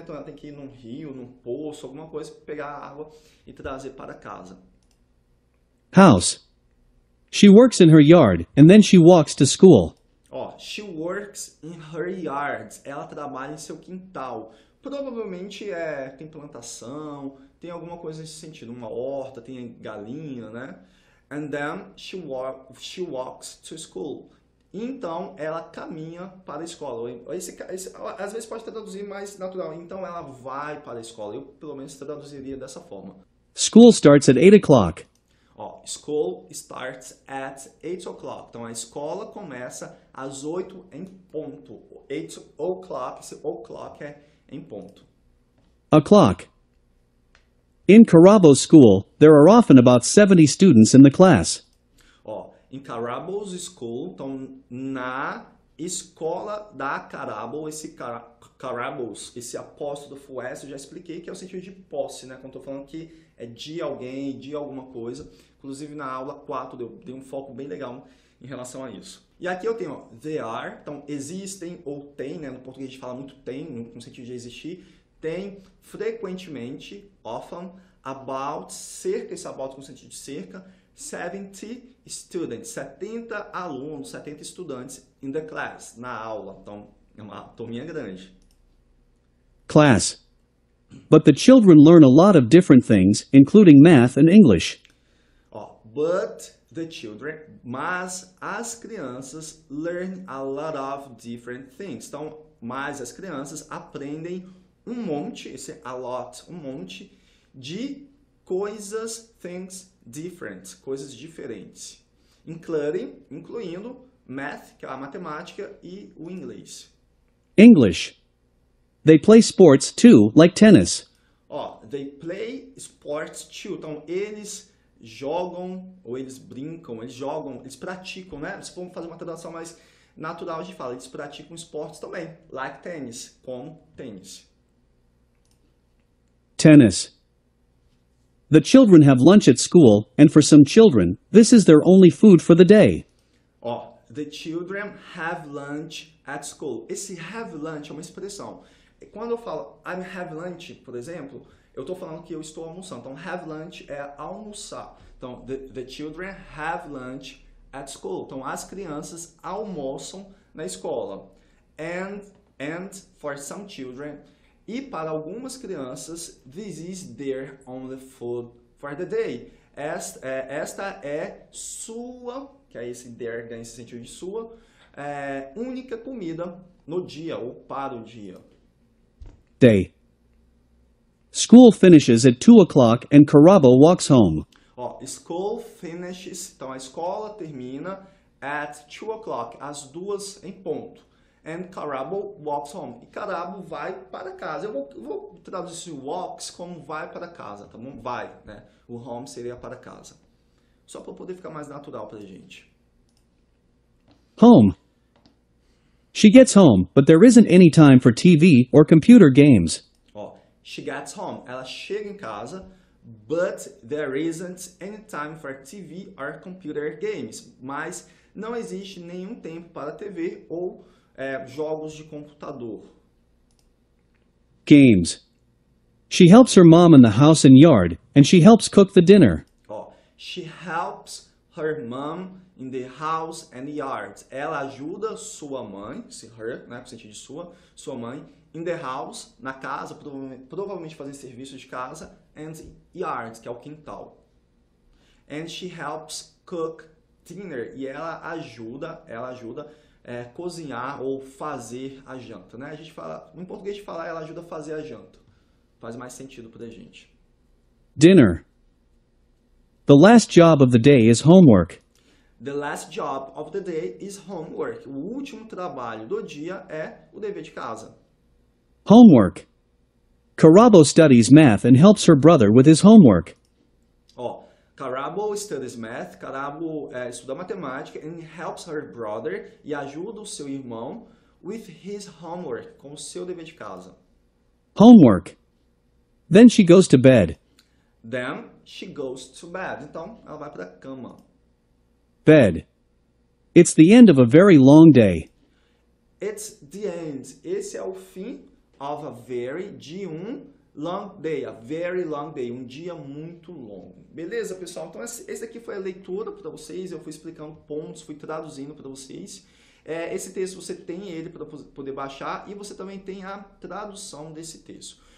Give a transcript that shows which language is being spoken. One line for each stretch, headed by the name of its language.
Portuguese: Então ela tem que ir num rio, num poço, alguma coisa, pegar água e trazer para casa.
English: House. She works in her yard and then she walks to school.
Portuguese: Ó,
English: she works in her yard.
Portuguese: Ela trabalha em seu quintal. Provavelmente é, tem plantação, tem alguma coisa nesse sentido, uma horta, tem galinha, né?
English: And then she walks to school.
Portuguese: Então ela caminha para a escola. Esse, às vezes pode traduzir mais natural. Então ela vai para a escola. Eu pelo menos traduziria dessa forma.
English: School starts at 8 o'clock.
Portuguese: Ó,
English: school starts at 8 o'clock.
Portuguese: Então a escola começa às 8 em ponto. 8 o'clock, esse o'clock é em ponto.
English: O'clock. In Carabo's school, there are often about 70 students in the class.
Portuguese: Ó,
English: in Carabo's school,
Portuguese: então na escola da Carabo, esse Carabo's, esse apóstrofo S, eu já expliquei que é o sentido de posse, né? Quando eu tô falando que é de alguém, de alguma coisa. Inclusive na aula 4 eu dei um foco bem legal em relação a isso. E aqui eu tenho, ó,
English: there are,
Portuguese: então existem ou tem, né? No português a gente fala muito tem, no sentido de existir. Tem frequentemente, often, about, cerca, esse about com sentido de cerca,
English: 70 students,
Portuguese: 70 alunos, 70 estudantes
English: in the class,
Portuguese: na aula. Então, é uma turminha grande.
English: Class. But the children learn a lot of different things, including math and English. Oh, but the children,
Portuguese: mas as crianças
English: learn a lot of different things.
Portuguese: Então, mas as crianças aprendem um monte, esse a lot, um monte, de coisas,
English: things different,
Portuguese: coisas diferentes. Incluindo math, que é a matemática, e o inglês.
English: English. They play sports too, like tennis. Ó, they play sports too.
Portuguese: Então, eles jogam, ou eles brincam, eles jogam, eles praticam, né? Se for fazer uma tradução mais natural, a gente fala, eles praticam esportes também,
English: like tennis,
Portuguese: com tênis.
English: Tennis. The children have lunch at school, and for some children, this is their only food for the day. Oh, the children have lunch at school.
Portuguese: Esse have lunch é uma expressão. Quando eu falo
English: I'm have lunch,
Portuguese: por exemplo, eu estou falando que eu estou almoçando. Então, have lunch é almoçar. Então,
English: the children have lunch at school.
Portuguese: Então, as crianças almoçam na escola.
English: And for some children,
Portuguese: e para algumas crianças,
English: this is their only food for the day.
Portuguese: Esta é sua, que é esse their, ganha esse sentido de sua, única comida no dia ou para o dia.
English: Day. School finishes at 2 o'clock and Carabo walks home.
Portuguese: Ó,
English: school finishes,
Portuguese: então a escola termina
English: at 2 o'clock,
Portuguese: às 2 em ponto.
English: And Carabo walks home.
Portuguese: E Carabo vai para casa. Eu vou traduzir walks como vai para casa, tá bom? Vai, né? O home seria para casa. Só para poder ficar mais natural para a gente.
English: Home. She gets home, but there isn't any time for TV or computer games. Ó, She gets home.
Portuguese: Ela chega em casa,
English: but there isn't any time for TV or computer games.
Portuguese: Mas não existe nenhum tempo para TV ou jogos de computador.
English: Games. She helps her mom in the house and yard, and she helps cook the dinner. Oh, she helps her mom in the house and yard.
Portuguese: Ela ajuda sua mãe, se her, né, no sentido de sua mãe,
English: in the house,
Portuguese: na casa, provavelmente fazendo serviço de casa,
English: and yard,
Portuguese: que é o quintal.
English: And she helps cook dinner.
Portuguese: E ela ajuda cozinhar ou fazer a janta, né? A gente fala, em português fala, ela ajuda a fazer a janta. Faz mais sentido pra gente.
English: Dinner. The last job of the day is homework. The last job of the day is homework.
Portuguese: O último trabalho do dia é o dever de casa.
English: Homework. Carabo studies math and helps her brother with his homework. Carabo studies math.
Portuguese: Carabo estuda matemática
English: and helps her brother
Portuguese: e ajuda o seu irmão
English: with his homework,
Portuguese: com o seu dever de casa.
English: Homework. Then she goes to bed. Then she goes to bed.
Portuguese: Então, ela vai para a cama.
English: Bed. It's the end of a very long day. It's the end.
Portuguese: Esse é o fim
English: of a very,
Portuguese: de um
English: long day. A very long day.
Portuguese: Um dia muito longo. Beleza, pessoal? Então, esse aqui foi a leitura para vocês. Eu fui explicando pontos, fui traduzindo para vocês. Esse texto, você tem ele para poder baixar. E você também tem a tradução desse texto.